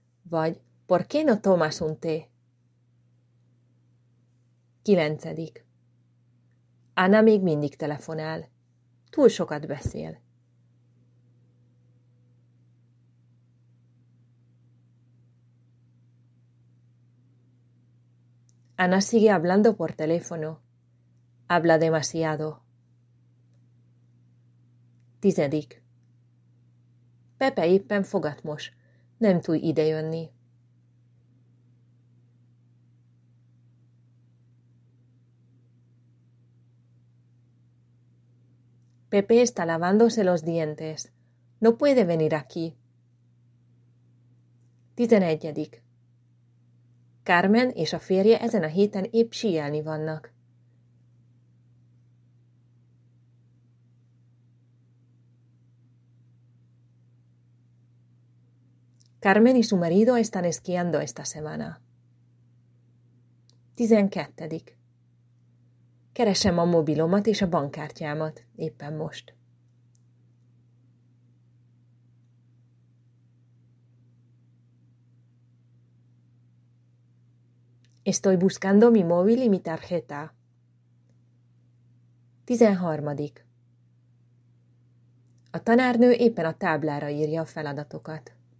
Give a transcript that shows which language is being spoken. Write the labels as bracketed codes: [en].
[hu] Vagy, [es] ¿por qué no tomas un té? [hu] Kilencedik. Ana még mindig telefonál. Túl sokat beszél. [es] Ana sigue hablando por teléfono. Habla demasiado. [hu] Tizedik. Pepe éppen fogatmos. Nem tud idejönni. [es] Pepe está lavándose los dientes. No puede venir aquí. [hu] Tizenegyedik. Carmen és a férje ezen a héten épp síelni vannak. [es] Carmen y su marido están esquiando esta semana. [hu] 12. Keresem a mobilomat és a bankkártyámat éppen most. [es] Estoy buscando mi móvil y mi tarjeta. [hu] 13. A tanárnő éppen a táblára írja a feladatokat.